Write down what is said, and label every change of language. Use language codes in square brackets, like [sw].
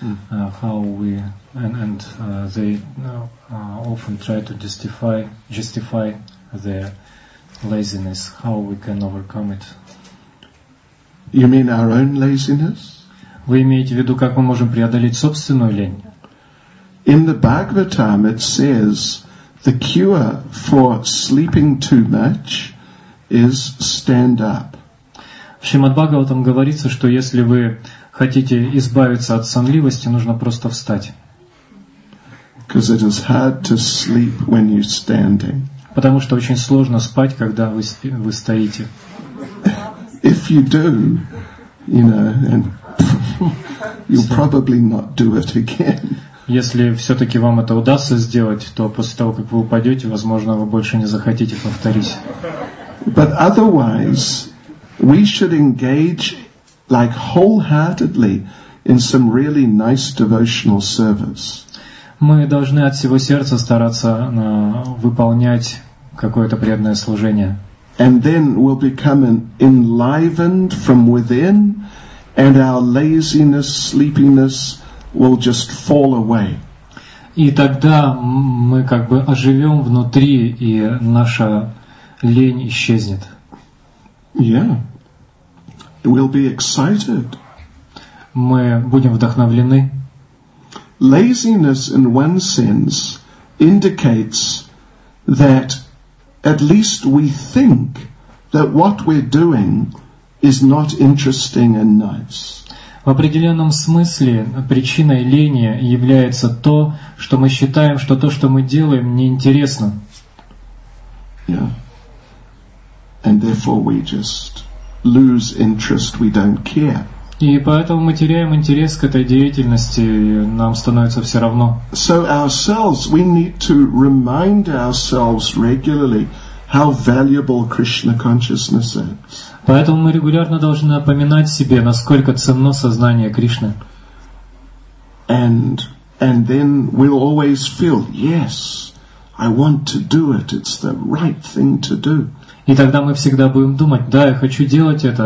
[en] How we and they often try to justify their laziness. How we can overcome it? You mean our own laziness? [ru] Вы имеете в виду, как мы можем преодолеть собственную лень? [en] In the Bhagavatam, it says the cure for sleeping too much is stand up. [ru] В Шримад-Бхагаватам говорится, что если вы хотите избавиться от сонливости, нужно просто встать. [en] It is hard to sleep when you're standing. [ru] Потому что очень сложно спать, когда вы стоите. [en] If you do, you know, and you'll probably not do it again. [ru] Если все-таки вам это удастся сделать, то после того, как вы упадете, возможно, вы больше не захотите повторить. [en] But otherwise, we should engage like wholeheartedly in some really nice devotional service. [ru] Мы должны от всего сердца стараться выполнять какое-то преданное служение. [en] And then we'll become enlivened from within, and our laziness, sleepiness will just fall away. [ru] И тогда мы как бы оживем внутри, и наша лень исчезнет. [en] Yeah. We'll be excited. [ru] Мы будем вдохновлены. [en] Laziness, in one sense, indicates that at least we think that what we're doing is not interesting and nice. [ru] В определенном смысле причиной лени является то, что мы считаем, что то, что мы делаем, неинтересно. [en] Yeah. And therefore we just lose interest, we don't care. [ru] И поэтому мы теряем интерес к этой деятельности, нам становится все равно. [en] So ourselves, we need to remind ourselves regularly how valuable Krishna consciousness is. [ru] Поэтому мы регулярно должны напоминать себе, насколько ценно сознание Кришны. [en] And then we'll always feel, yes, I want to do it. It's the right thing to do. [ru] И тогда мы всегда будем думать: да, я хочу делать это.